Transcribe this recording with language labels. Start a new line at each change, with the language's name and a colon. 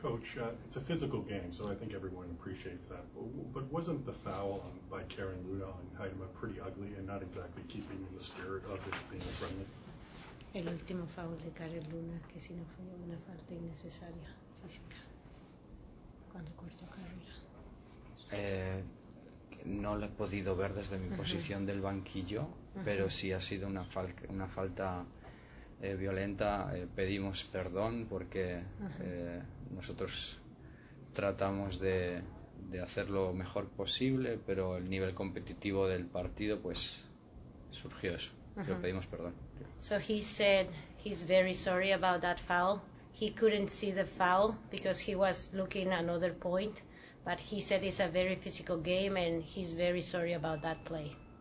English: Coach, it's a physical game, so I think everyone appreciates that. But wasn't the foul by Karen Luda on Haidema pretty ugly and not exactly keeping in the spirit of it being a friendly?
Spanish: El último foul de Karen Luna, que si no fue una falta innecesaria física, cuando cortó carrera. No lo he podido ver desde mi posición del banquillo, pero sí ha sido una falta violenta. Pedimos perdón porque nosotros tratamos de hacer lo mejor posible, pero el nivel competitivo del partido, pues, surgió eso. Pero pedimos perdón.
English: So he said he's very sorry about that foul. He couldn't see the foul because he was looking another point. But he said it's a very physical game, and he's very sorry about that play.